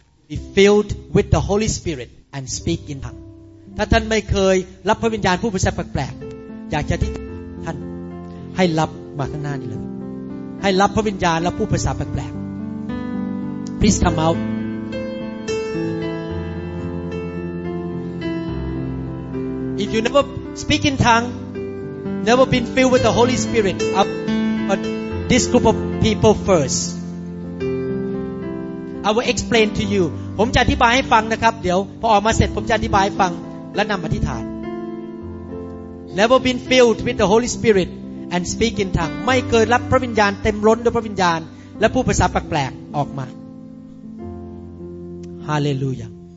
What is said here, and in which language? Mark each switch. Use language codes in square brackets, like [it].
[en] be filled with the Holy Spirit and speak in tongues [th] ถ้าท่านไม่เคยรับพระวิญญาณพูดภาษาแปลกๆอยากจะที่ท่านให้รับมาข้างหน้านี้เลยให้รับพระวิญญาณและพูดภาษาแปลกๆ [en] Please come out. If you never speak in tongue, never been filled with the Holy Spirit, but this group of people first. I will explain to you. [th] ผมจะอธิบายให้ฟังนะครับเดี๋ยวพอออกมาเสร็จผมจะอธิบายให้ฟังและนำอธิษฐาน [en] Never been filled with the Holy Spirit and speak in tongue. [th] ไม่เคยรับพระวิญญาณเต็มล้นด้วยพระวิญญาณและพูดภาษาแปลกๆออกมาHallelujah.